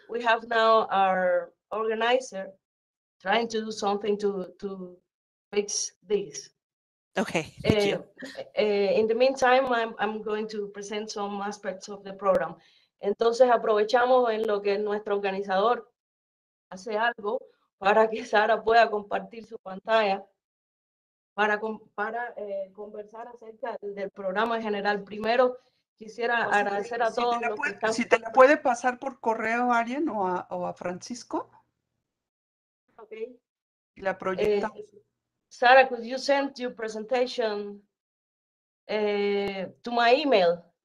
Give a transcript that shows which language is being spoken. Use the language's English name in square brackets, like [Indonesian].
[English] We have now our organizer trying to do something to fix this. Okay, thank you. In the meantime, I'm going to present some aspects of the program. [Spanish] Entonces, aprovechamos en lo que nuestro organizador hace algo para que Sara pueda compartir su pantalla para conversar acerca del programa en general. Primero, quisiera agradecer a todos si los puede, que están... Si te la puede pasar por correo, Arien, o a Francisco. Ok. Y la proyecta. [English] Sara, could you send your presentation to my email?